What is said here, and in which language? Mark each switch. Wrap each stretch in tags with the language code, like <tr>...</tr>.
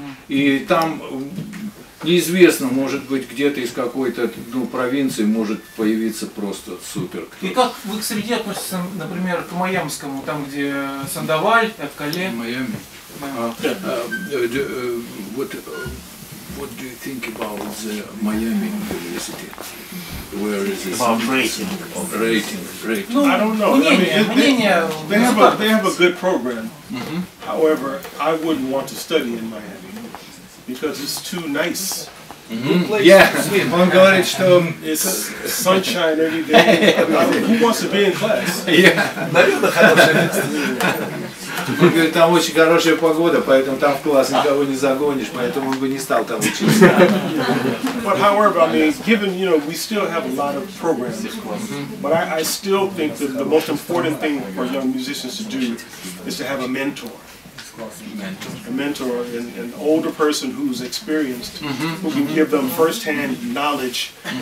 <ru>И там неизвестно, может быть, где-то из какой-то провинции может появиться просто супер кто-то. И как вы к среде относитесь, например, к майамскому, там где Сандоваль, Эткале? Майами?</ru> <en>What do you think about the Miami University? Where is this? About rating. Of rating. I don't know. They have a good program. Mm-hmm. However, I wouldn't want to study in Miami because it's too nice. Mm-hmm.</en> <ru>Он говорит, что</ru> <en>it's sunshine every day. Who wants to be in class?</en> <ru>Наверное, хорошее место. Он говорит, там очень хорошая погода, поэтому там в класс никого не загонишь, поэтому он бы не стал там учиться.</ru> <en>But however, I mean, given, we still have a lot of programs in class, but I still think that the most important thing for young musicians to do is to have a mentor. Mentor. A mentor, an older person who's experienced, mm-hmm. who can give them first-hand knowledge, mm-hmm.</en>